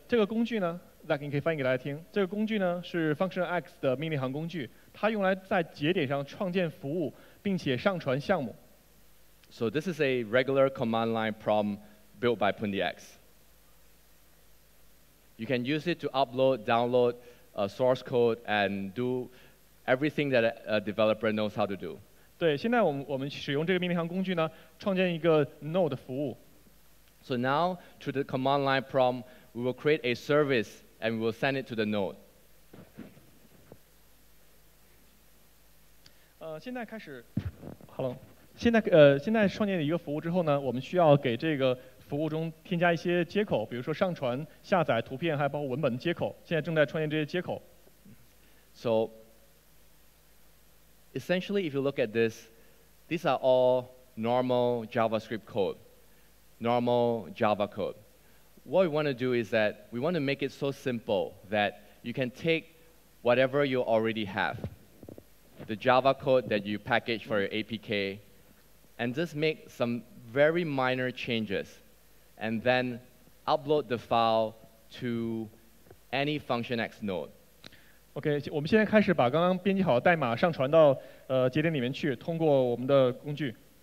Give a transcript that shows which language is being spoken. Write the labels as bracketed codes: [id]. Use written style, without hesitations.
[zh] 这个工具呢, Zac, 你可以翻译给大家听, 这个工具呢, 是 Function X 的 命令 行 工具, 它用来在节点上 创建 服务, 并且上传 项目。 [en] So this is a regular command line prompt built by Pundi X. You can use it to upload, download source code and do everything that a developer knows how to do. [zh] 对,现在我们使用这个命令行工具呢,创建一个 node 服务。 [en] So now, through the command line prompt, we will create a service and we will send it to the node. [zh] 现在开始, hello. 现在创建一个服务之后呢,我们需要给这个服务中添加一些接口, 比如说上传、下载图片,还包括文本接口, 现在正在创建这些接口。 [en] So, essentially, if you look at this, these are all normal JavaScript code, normal Java code. What we want to do is that we want to make it so simple that you can take whatever you already have, the Java code that you package for your APK, and just make some very minor changes, and then upload the file to any Function X node. [zh] Okay, 我们现在开始把刚刚编辑好的代码上传到节点里面去,通过我们的工具。